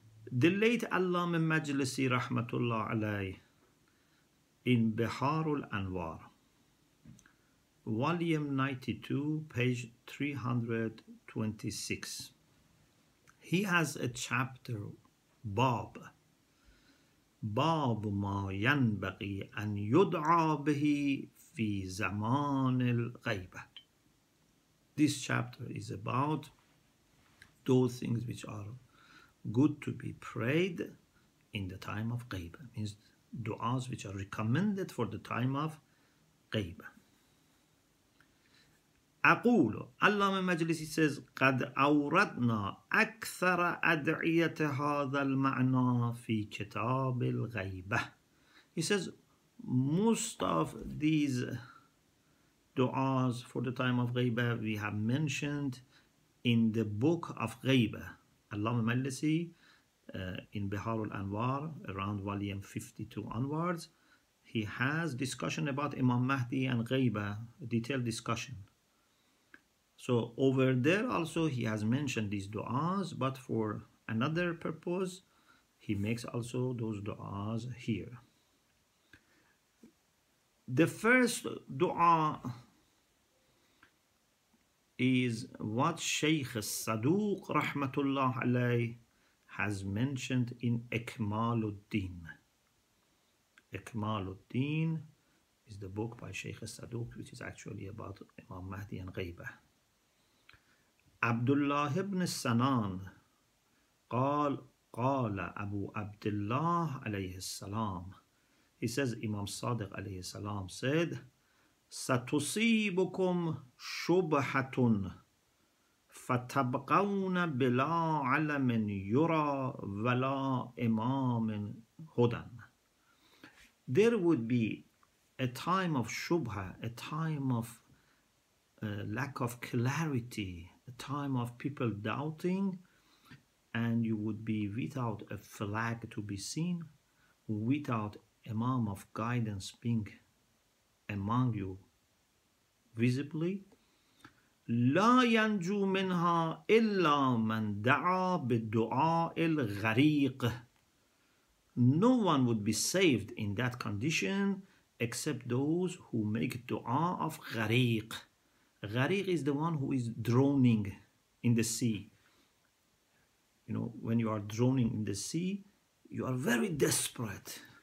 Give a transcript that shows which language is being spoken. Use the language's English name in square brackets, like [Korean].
[English] The late Allama Majlisi Rahmatullah Alayh in Biharul Anwar, volume 92, page 326, he has a chapter, Bab ma yanbaghi an yud'a bihi fi zaman al-ghaybah. This chapter is about those things which are good to be prayed in the time of ghaybah. It means du'as which are recommended for the time of ghaybah. [Arabic] أقول علام مجلسي [English] says [Arabic] قد أوردنا أكثر أدعية هذا المعنى في كتاب الغيبة. [English] He says most of these du'as for the time of غيبة we have mentioned in the book of غيبة. علام مجلسي in بحار الأنوار around volume 52 onwards, he has discussion about Imam Mahdi and غيبة, detailed discussion. So over there also he has mentioned these du'as, but for another purpose, he makes also those du'as here. The first du'a is what Shaykh Saduq Rahmatullah Alayh has mentioned in Ikmaluddin. Ikmaluddin is the book by Shaykh Saduq, which is actually about Imam Mahdi and Ghaybah. [Arabic] عبد الله بن السنان قال قال أبو عبد الله عليه السلام. [English] He says Imam Sadiq عليه السلام said [Arabic] ستصيبكم شبهة فتبقون بلا علم يرى ولا إمام هدى. [English] There would be a time of shubha, a time of lack of clarity, a time of people doubting, and you would be without a flag to be seen, without Imam of guidance being among you visibly. [Arabic] لا ينجو منها إلا من دعا بالدعاء الغريق. [English] No one would be saved in that condition except those who make dua of غريق. Ghariq is the one who is drowning in the sea. You know, when you are drowning in the sea, you are very desperate.